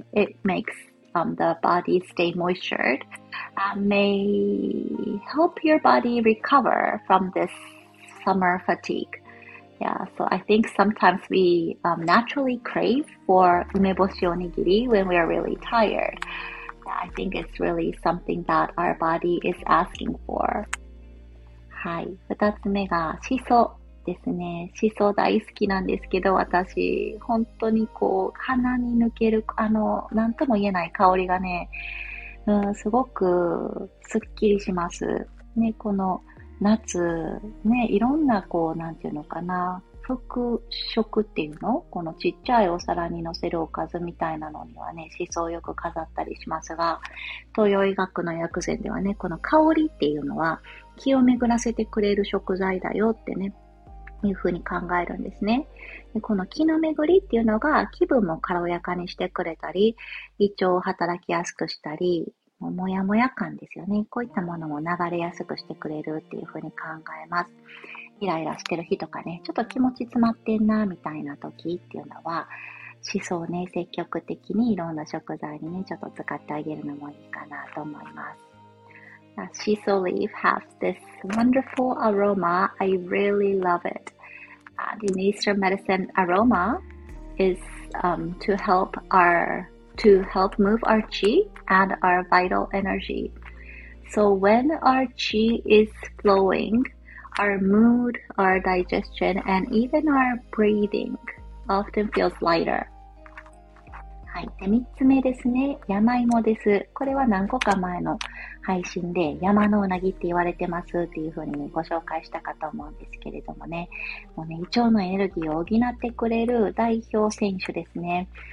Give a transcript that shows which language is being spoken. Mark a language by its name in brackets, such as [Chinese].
[English] It makes the body stay moistured and may help your body recover from this summer fatigue. Yeah, so I think sometimes we naturally crave for umeboshi onigiri when we are really tired. I think it's really something that our body is asking for. [Japanese] はい、二つ目がシソ。ですね。シソ大好きなんですけど、私、本当にこう、鼻に抜ける、あの、なんとも言えない香りがね、すごくスッキリします。ね、この夏、ね、いろんなこう、なんていうのかな、副食っていうの？このちっちゃいお皿に乗せるおかずみたいなのにはね、シソをよく飾ったりしますが、東洋医学の薬膳ではね、この香りっていうのは、気を巡らせてくれる食材だよってね、いうふうに考えるんですね。で、この気の巡りっていうのが気分も軽やかにしてくれたり、胃腸を働きやすくしたり、もやもや感ですよね。こういったものも流れやすくしてくれるっていうふうに考えます。イライラしてる日とかね、ちょっと気持ち詰まってんなみたいな時っていうのは、シソをね、積極的にいろんな食材にね、ちょっと使ってあげるのもいいかなと思います。 [English] Shiso leaf has this wonderful aroma. I really love it. And the Nature Medicine aroma is to help our to help move our qi and our vital energy. So when our qi is flowing, our mood, our digestion, and even our breathing often feels lighter. [Japanese] はい、で3つ目ですね、山芋です。これは何個か前の配信で山のうなぎって言われてますっていう風にご紹介したかと思うんですけれどもね、もうね、胃腸のエネルギーを補ってくれる代表選手ですね。